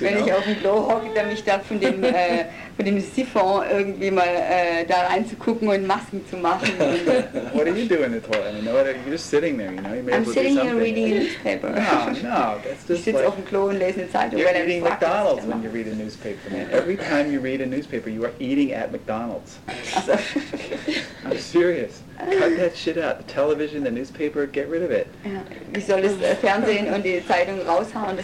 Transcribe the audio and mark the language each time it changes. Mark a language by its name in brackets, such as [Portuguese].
[German] wenn ich auf dem Klo hocke, dann mich da von dem... mit dem Siphon irgendwie mal da reinzugucken und Masken zu machen. [English] What are you doing in the toilet? I mean, what are you just sitting there, you know? You may I'm sitting here reading a newspaper. No, [German] ich sitze [English] like [German] auf dem Klo und lese eine Zeitung. [English] You're eating McDonald's when you read a newspaper. Man. Every time you read a newspaper, you are eating at McDonald's. I'm serious. Cut that shit out. The television, the newspaper, get rid of it. [German] Wie soll das Fernsehen und die Zeitung raushauen?